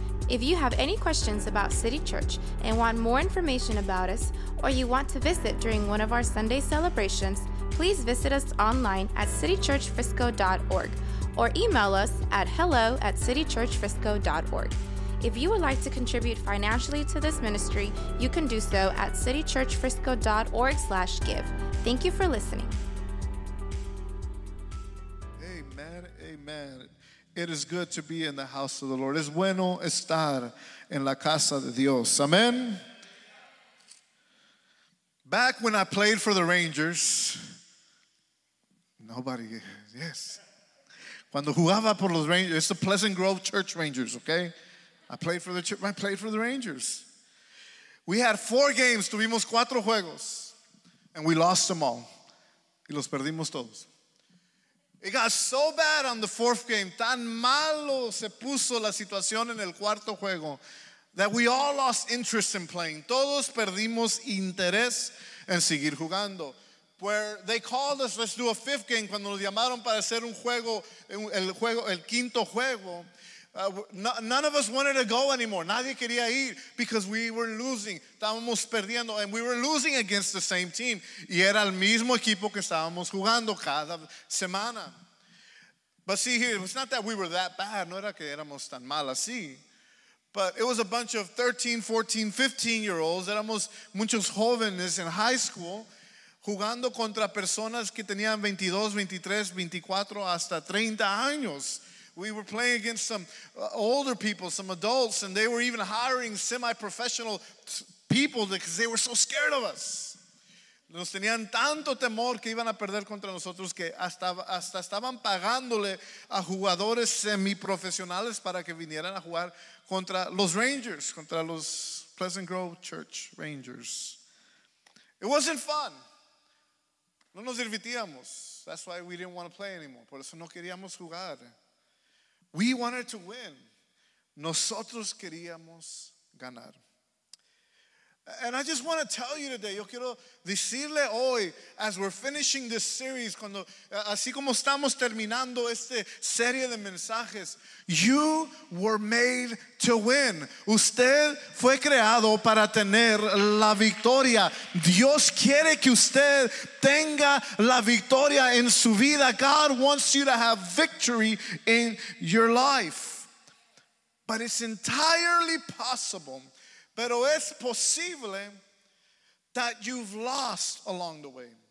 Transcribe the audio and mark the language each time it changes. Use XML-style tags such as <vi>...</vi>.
<en>If you have any questions about City Church and want more information about us, or you want to visit during one of our Sunday celebrations, please visit us online at citychurchfrisco.org or email us at hello@citychurchfrisco.org. If you would like to contribute financially to this ministry, you can do so at citychurchfrisco.org/give. Thank you for listening. Amen, amen. It is good to be in the house of the Lord.</en> <es>Es bueno estar en la casa de Dios.</es> <en>Amen. Back when I played for the Rangers, nobody, yes.</en> <es>Cuando jugaba por los Rangers,</es> <en>it's the Pleasant Grove Church Rangers, okay? I played for the Rangers. We had four games,</en> <es>tuvimos cuatro juegos,</es> <en>and we lost them all.</en> <es>Y los perdimos todos.</es> <en>It got so bad on the fourth game,</en> <es>tan malo se puso la situación en el cuarto juego,</es> <en>that we all lost interest in playing.</en> <es>Todos perdimos interés en seguir jugando.</es> <en>Where they called us, let's do a fifth game,</en> <es>cuando nos llamaron para hacer un juego, el quinto juego,</es> <en>none of us wanted to go anymore.</en> <es>Nadie quería ir</es> <en>because we were losing.</en> <es>Estábamos perdiendo,</es> <en>and we were losing against the same team.</en> <es>Y era el mismo equipo que estábamos jugando cada semana.</es> <en>But see here, it's not that we were that bad.</en> <es>No era que éramos tan mal así.</es> <en>But it was a bunch of 13, 14, 15-year-olds.</en> <es>Éramos muchos jóvenes</es> <en>in high school</en> <es>jugando contra personas que tenían 22, 23, 24, hasta 30 años.</es> <en>We were playing against some older people, some adults, and they were even hiring semi-professional people because they were so scared of us.</en> <es>Nos tenían tanto temor que iban a perder contra nosotros que hasta estaban pagándole a jugadores semi-profesionales para que vinieran a jugar contra los Rangers, contra los Pleasant Grove Church Rangers.</es> <en>It wasn't fun.</en> <es>No nos divertíamos.</es> <en>That's why we didn't want to play anymore.</en> <es>Por eso no queríamos jugar.</es> <en>We wanted to win.</en> <es>Nosotros queríamos ganar.</es> <en>And I just want to tell you today,</en> <es>yo quiero decirle hoy,</es> <en>as we're finishing this series,</en> <es>cuando así como estamos terminando esta serie de mensajes,</es> <en>you were made to win.</en> <es>Usted fue creado para tener la victoria. Dios quiere que usted tenga la victoria en su vida.</es> <en>God wants you to have victory in your life. But it's entirely possible.</en> <es>Pero es posible</es> <en>that you've lost along the way.</en>